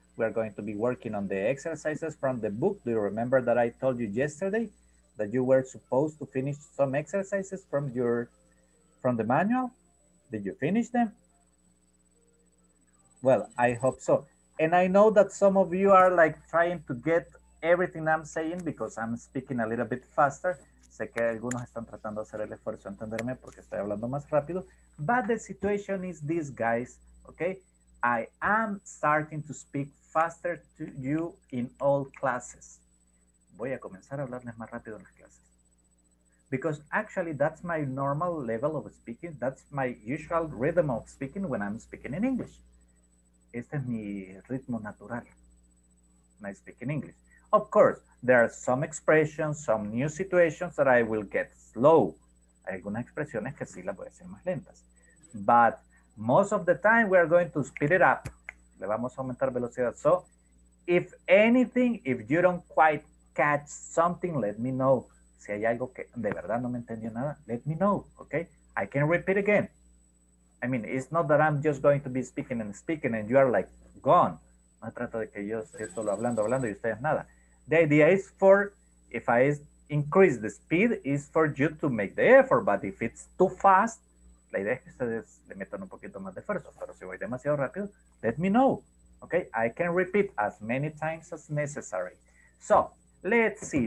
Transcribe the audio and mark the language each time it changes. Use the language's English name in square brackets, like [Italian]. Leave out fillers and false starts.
[English] We are going to be working on the exercises from the book. Do you remember that I told you yesterday that you were supposed to finish some exercises from your, from the manual? Did you finish them? Well, I hope so. And I know that some of you are like trying to get everything I'm saying because I'm speaking a little bit faster. [Spanish] Sé que algunos están tratando de hacer el esfuerzo de entenderme porque estoy hablando más rápido. [English] But the situation is this, guys, okay? I am starting to speak faster to you in all classes. [Spanish] Voy a comenzar a hablarles más rápido en las clases. [English] Because actually that's my normal level of speaking. That's my usual rhythm of speaking when I'm speaking in English. [Spanish] Este es mi ritmo natural. [English] I speak in English. Of course, there are some expressions, some new situations that I will get slow. [Spanish] Hay algunas expresiones que sí las voy a hacer más lentas. [English] But most of the time, we are going to speed it up. [Spanish] Le vamos a aumentar velocidad. [English] So, if anything, if you don't quite catch something, let me know. [Spanish] Si hay algo que de verdad no me entendió nada, [English] let me know, okay? I can repeat again. I mean, it's not that I'm just going to be speaking and speaking and you are like gone. [Spanish] No trato de que yo esté solo hablando, hablando y ustedes nada. [English] The idea is for, if I increase the speed, is for you to make the effort. But if it's too fast, [Spanish] la idea es que ustedes le metan un poquito más de esfuerzo. Pero si voy demasiado rápido, [English] let me know. Okay, I can repeat as many times as necessary. So, let's see.